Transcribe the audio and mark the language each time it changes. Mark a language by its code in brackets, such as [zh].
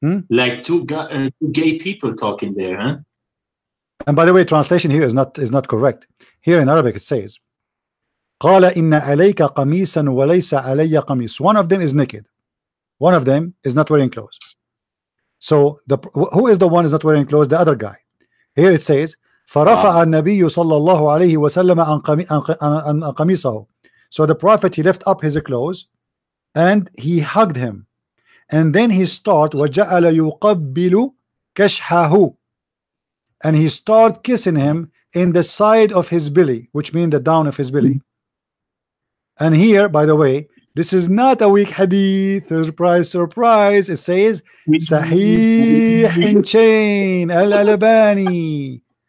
[en] Like two gay people talking there, huh? And by the way, translation here is not correct. Here in Arabic it says, [ar] "Qala inna alayka qamisan wa laysa alayya qamis." [en] One of them is naked. One of them is not wearing clothes. So the who is the one is not wearing clothes? The other guy. Here it says, [ar] فرفع النبي صلى الله عليه وسلم عن قميصه. [en] So the Prophet, he lift up his clothes and he hugged him. And then he start [ar] وجعل يقبل كشحه. [en] And he start kissing him in the side of his belly, which means the down of his belly. And here, by the way, this is not a weak hadith. Surprise, surprise. It says Sahih in chain Al-Albani.